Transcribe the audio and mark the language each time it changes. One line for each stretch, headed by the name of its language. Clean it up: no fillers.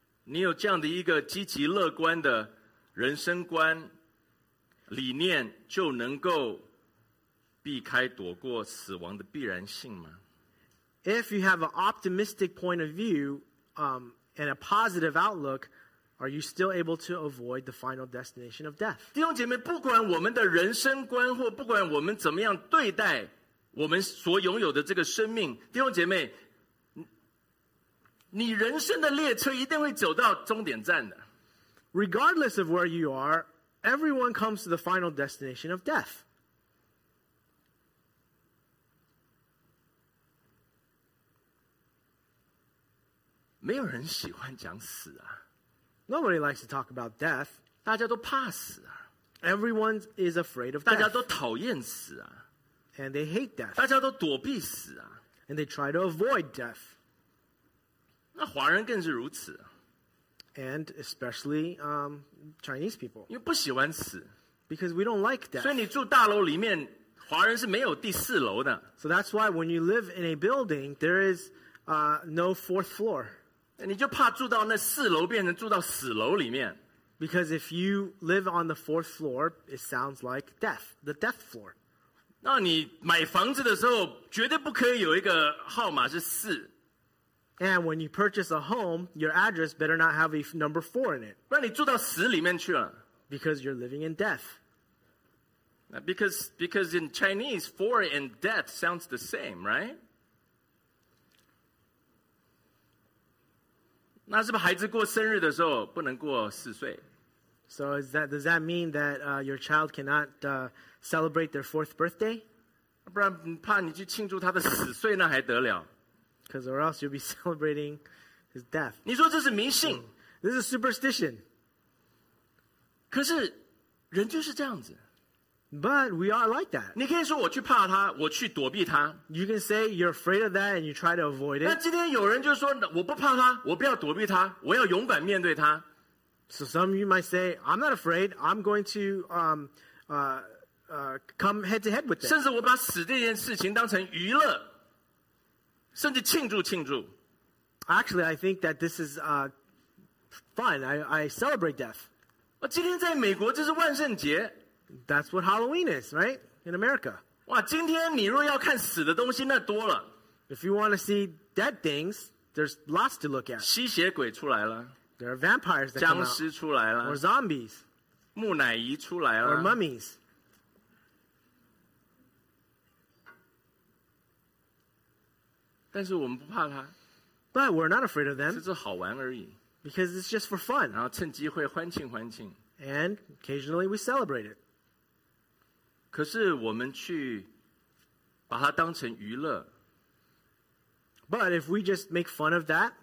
Chinese: 你有这样的一个积极乐观的人生观理念，就能够避开躲过死亡的必然性吗？
English: If you have an optimistic point of view, and a positive outlook,Are you still able to avoid the final destination of death?
Chinese: 弟兄姐妹，不管我们的人生观，或不管我们怎么样对待我们所拥有的这个生命，弟兄姐妹，你人生的列车一定会走到终点站的。
English: Regardless of where you are, everyone comes to the final destination of death.
Chinese: 没有人喜欢讲死啊。
English: Nobody likes to talk about death.
Chinese: 大家都怕死啊。
English: Everyone is afraid of death.
Chinese: 大家都讨厌死啊。
English: And they hate death.
Chinese: 大家都躲避死啊。
English: And they try to avoid death.
Chinese: 那华人更是如此。
English: And especially Chinese people.
Chinese: 因为不喜欢死。
English: Because we don't like death.
Chinese: 所以你住大楼里面，华人是没有第四楼的。
English: So that's why when you live in a building, there is no fourth floor.
Chinese: 你就怕住到那四楼变成住到死楼里面。
English: Because if you live on the fourth floor, it sounds like death, the death floor.
Chinese: 那你买房子的时候绝对不可以有一个号码是四。
English: And when you purchase a home, your address better not have a number four in it.
Chinese: 不然你住到死里面去了。
English: Because you're living in death. Because in Chinese, four and death sounds the same, right?
Chinese: 那是不是孩子过生日的时候不能过四岁
English: ？So is that, does that mean that your child cannot celebrate their fourth birthday?
Chinese: 不然怕你去庆祝他的死岁那还得了
English: ？Because or else you'll be celebrating his death.
Chinese: 你说这是迷信
English: ？This is superstition.
Chinese: 可是人就是这样子。
English: But we are like that.
Chinese: 你可以说我去怕他，我去躲避他。
English: You can say you're afraid of that and you try to avoid it.
Chinese: 那今天有人就说我不怕他，我不要躲避他，我要勇敢面对他。
English: So some of you might say, I'm not afraid. I'm going to come head to head with it.
Chinese: 甚至我把死这件事情当成娱乐，甚至庆祝庆祝。
English: Actually, I think that this is fun. I celebrate death.
Chinese: 我今天在美国这是万圣节。
English: That's what Halloween is, right? In America.
Chinese: 哇，今天你若要看死的东西，那多了。
English: If you want to see dead things, there's lots to look at.
Chinese: 吸血鬼出来了。
English: There are vampires that come out.
Chinese: 僵尸出来了。
English: Or zombies.
Chinese: 木乃伊出来了。
English: Or mummies.
Chinese: 但是我们不怕它。
English: But we're not afraid of them.
Chinese: 只是好玩而已。
English: Because it's just for fun.
Chinese: 然后趁机会欢庆欢庆。
English: And occasionally we celebrate it.
Chinese: 可是我们去把它当成娱乐,
English: but if we just make fun of that,